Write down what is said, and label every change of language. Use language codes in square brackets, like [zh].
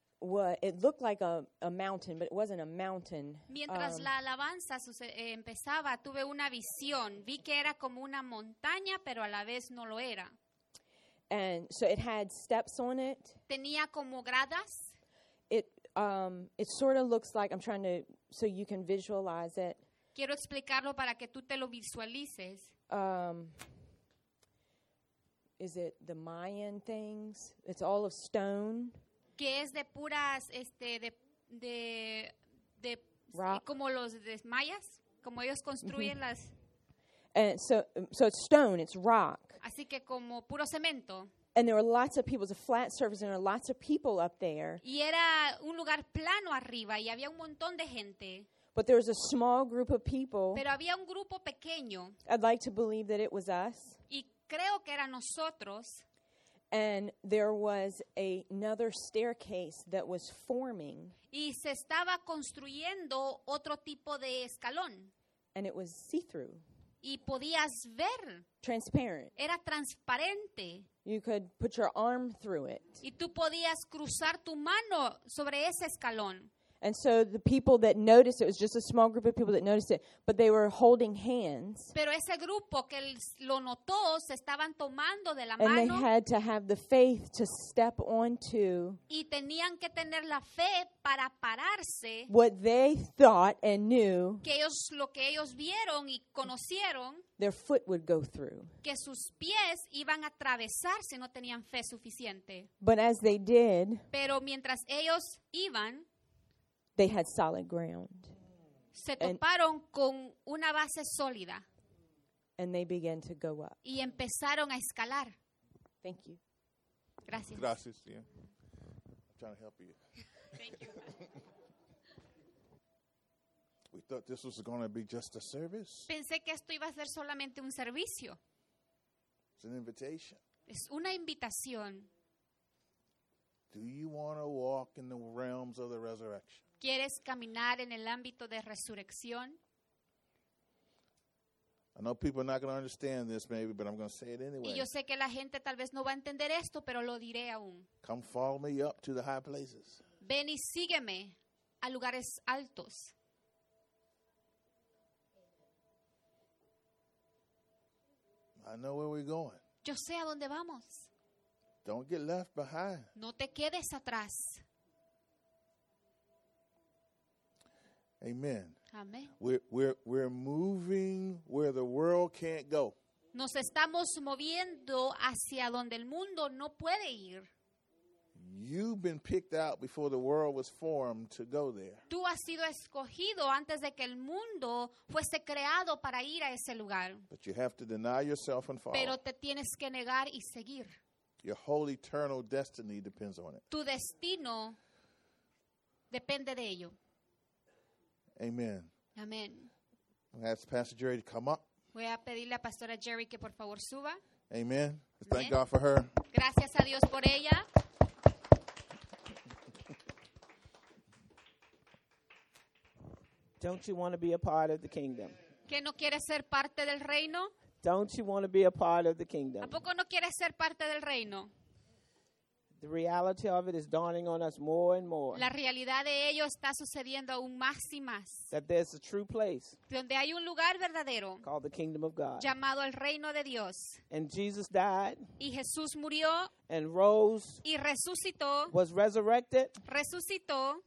[en] What it looked like a mountain, but it wasn't a mountain. [es] Mientras la alabanza empezaba, tuve una visión. Vi que era como una montaña, pero a la vez no lo era. [en] And so it had steps on it. [es] Tenía como gradas. [en] It sort of looks like, I'm trying to, so you can visualize it. [es] Quiero explicarlo para que tú te lo visualices. [en] Is it the Mayan things? It's all of stone. [es] Que es de puras, de como los de mayas, como ellos construyen mm-hmm. las. [en] And so it's stone, it's rock. [es] Así que como puro cemento. [en] And there were lots of people, it was a flat surface, and there were lots of people up there. [es] Y era un lugar plano arriba, y había un montón de gente. [en] But there was a small group of people. [es] Pero había un grupo pequeño. [en] I'd like to believe that it was us. [es] Y creo que era nosotros. [en] And there was another staircase that was forming. [es] Y se estaba construyendo otro tipo de escalón. [en] And it was see-through. [es] Y podías ver. [en] Transparent. [es] Era transparente. [en] You could put your arm through it. [es] Y tú podías cruzar tu mano sobre ese escalón. [en] And so the people that noticed it was just a small group of people that noticed it, but they were holding hands. [es] Pero ese grupo que lo notó se estaban tomando de la [en] and [es] mano. [en] They had to have the faith to step onto. [es] Y tenían que tener la fe para pararse. [en] What they thought and knew. [es] Que ellos, lo que ellos vieron y conocieron. [en] Their foot would go through. [es] Que sus pies iban a atravesar si no tenían fe suficiente. [en] But as they did. [es] Pero mientras ellos iban. [en] They had solid ground. [es] Se toparon con una base sólida. [en] And they began to go up. [es] Y empezaron a escalar. [en] Thank you. [es] Gracias. [en] Gracias, yeah. I'm trying to help you. Thank you. We thought this was going to be just a service. [es] Pensé que esto iba a ser solamente un servicio. [en] It's an invitation. [es] Es una invitación. [en] Do you want to walk in the realms of the resurrection? [es] ¿Quieres caminar en el ámbito de resurrección? [en] I know people are not going to understand this maybe, but I'm going to say it anyway. [es] Y yo sé que la gente tal vez no va a entender esto, pero lo diré aún. [en] Come follow me up to the high places. [es] Ven y sígueme a lugares altos. [en] I know where we're going. [es] Yo sé a dónde vamos. [en] Don't get left behind. [es] No te quedes atrás. [en] Amen. [es] Amen. [en] We're moving where the world can't go. [es] Nos estamos moviendo hacia donde el mundo no puede ir. [en] You've been picked out before the world was formed to go there. [es] Tú has sido escogido antes de que el mundo fuese creado para ir a ese lugar. [en] But you have to deny yourself and follow. [es] Pero te tienes que negar y seguir. [en] Your whole eternal destiny depends on it. [es] Tu destino depende de ello. [en] Amen. [es] Amen. [en] I'm going to ask Pastor Jerry to come up. [es] Voy a pedirle a Pastora Jerry que por favor suba. [en] Amen. Let's thank God for her. [es] Gracias a Dios por ella. [en] Don't you want to be a part of the kingdom? [es] ¿Que no quieres ser parte del reino? [en] Don't you want to be a part of the kingdom? [es] ¿A poco no quieres ser parte del reino? [en] The reality of it is dawning on us more and more. [es] La realidad de ello está sucediendo aún más y más. [en] That there's a true place. [es] Donde hay un lugar verdadero. [en] Called the kingdom of God. [es] Llamado el reino de Dios. [en] And Jesus died. [es] Y Jesús murió. [en] And rose. [es] Y resucitó. [en] Was resurrected. [es] Resucitó.